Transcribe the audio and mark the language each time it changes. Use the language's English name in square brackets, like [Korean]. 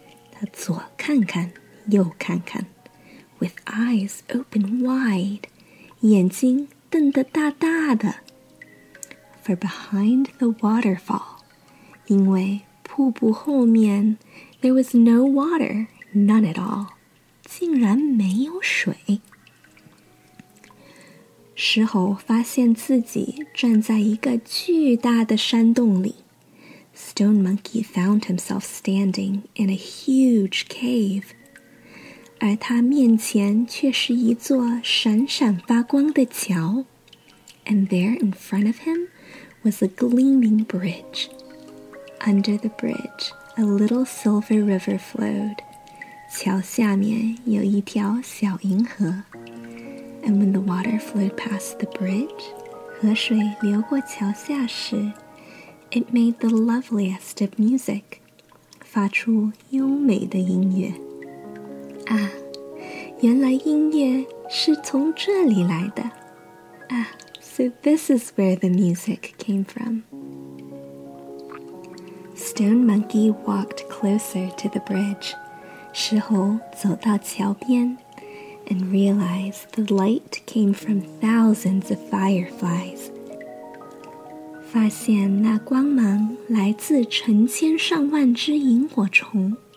[Chinese] 他左看看,右看看, [English] with eyes open wide, [Chinese] 眼睛瞪得大大的。 [English] For behind the waterfall, [Chinese] 因为瀑布后面, [English] there was no water, none at all, [Chinese] 竟然没有水。石猴发现自己站在一个巨大的山洞里。 [English] Stone Monkey found himself standing in a huge cave. [Chinese] 而他面前却是一座闪闪发光的桥。 [English] And there in front of him was a gleaming bridge. Under the bridge, a little silver river flowed. [Chinese] 桥下面有一条小银河。 [English] And when the water flowed past the bridge, [Chinese] 河水流过桥下时, [English] it made the loveliest of music, [Chinese] 发出优美的音乐。啊,原来音乐是从这里来的。啊, [English] so this is where the music came from. Stone Monkey walked closer to the bridge. [Chinese] 石猴走到桥边。 [English] And realized the light came from thousands of fireflies. [Chinese] 发现那光芒来自成千上万只萤火虫。